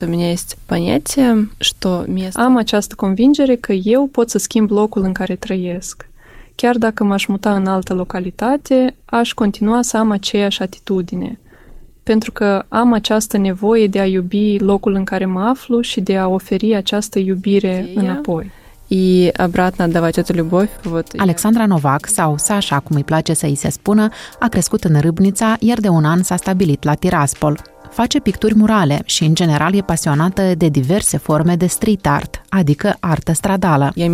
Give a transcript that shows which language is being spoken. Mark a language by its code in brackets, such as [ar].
[ru] У меня есть понятие, что место... [ro] Ам această convingere că eu pot să schimb locul în care trăiesc. Chiar dacă m-aș muta în altă localitate, aș continua să am aceeași atitudine. Pentru că am această nevoie de a iubi locul în care mă aflu și de a oferi această iubire înapoi. [ru] И обратно отдавать эту любовь. Вот. [ro] Александра Новак, sau Саша, cum îi place să îi se spună, a crescut în Râbnița, iar de un an s-a stabilit la Tiraspol. Face picturi murale și, în general, e pasionată de diverse forme de street art, adică artă stradală.